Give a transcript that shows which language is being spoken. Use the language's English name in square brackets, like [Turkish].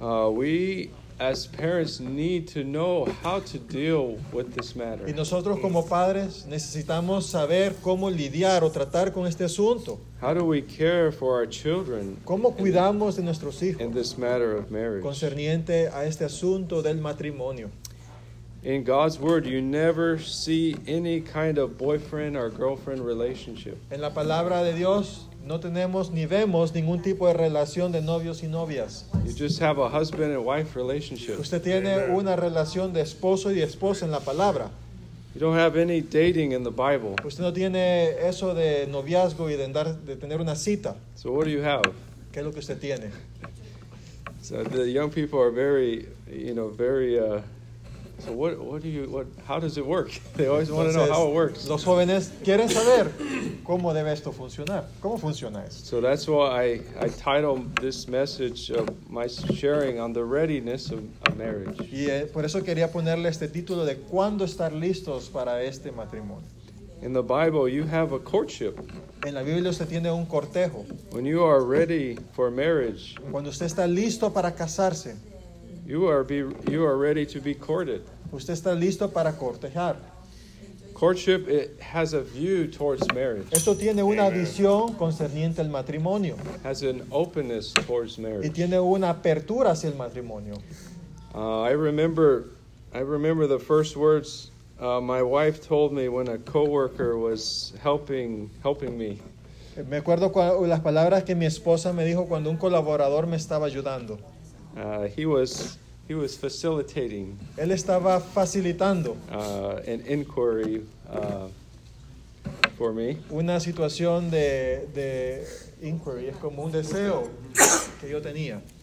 [English] We as parents need to know how to deal with this matter. [Spanish] Y nosotros como padres necesitamos saber cómo lidiar o tratar con este asunto. [English] How do we care for our children? [Spanish] ¿Cómo cuidamos de nuestros hijos? [English] In this matter of marriage. [Spanish] Concerniente a este asunto del matrimonio. [English] In God's word, you never see any kind of boyfriend or girlfriend relationship. [Spanish] En la palabra de Dios, no tenemos ni vemos ningún tipo de relación de novios y novias. [English] You just have a husband and wife relationship. [Spanish] Usted tiene una relación de esposo y esposa en la palabra. [English] You don't have any dating in the Bible. [Spanish] Usted no tiene eso de noviazgo y de tener una cita. [English] So what do you have? [Spanish] ¿Qué es lo que usted tiene? [English] So the young people are very, you know, very... So what do you what how does it work? They always want to know how it works. [Spanish] Los jóvenes quieren saber cómo debe esto funcionar. ¿Cómo funciona esto? [English] So that's why I titled this message of my sharing on the readiness of a marriage. [Spanish] Y por eso quería ponerle este título de cuándo estar listos para este matrimonio. [English] In the Bible you have a courtship. [Spanish] En la Biblia usted tiene un cortejo. [English] When you are ready for marriage. [Spanish] Cuando usted está listo para casarse. [English] You are ready to be courted. [Spanish] Usted está listo para cortejar. [English] Courtship, it has a view towards marriage. [Spanish] Esto tiene una visión concerniente al matrimonio. [English] It has an openness towards marriage. [Spanish] Y tiene una apertura hacia el matrimonio. [English] I remember the first words my wife told me when a coworker was helping me. [Spanish] Me acuerdo las palabras que mi esposa me dijo cuando un colaborador me estaba ayudando. [English] He was facilitating. [Spanish] Él estaba facilitando [English] an inquiry for me. [Spanish] Una situación de inquiry, es como un deseo que yo tenía.